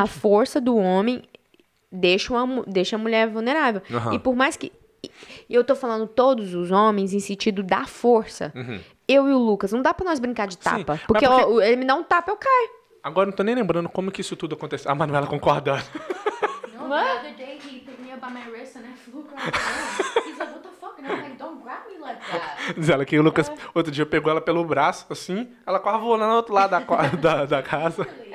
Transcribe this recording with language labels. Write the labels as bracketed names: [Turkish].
[Portuguese] A força do homem... Deixa a mulher vulnerável. Uhum. E por mais que... Eu tô falando todos os homens em sentido da força. Uhum. Eu e o Lucas, não dá pra nós brincar de tapa. Sim, porque ele me dá um tapa, eu caio. Agora não tô nem lembrando como que isso tudo aconteceu. A Manuela concordando. [English] No other day, he picked me up by my wrist and I flew across the room. He's like, what the fuck? And I'm like, don't grab me like that. [Portuguese] Diz ela que o Lucas, outro dia, pegou ela pelo braço, assim. Ela quase voou lá no outro lado da casa.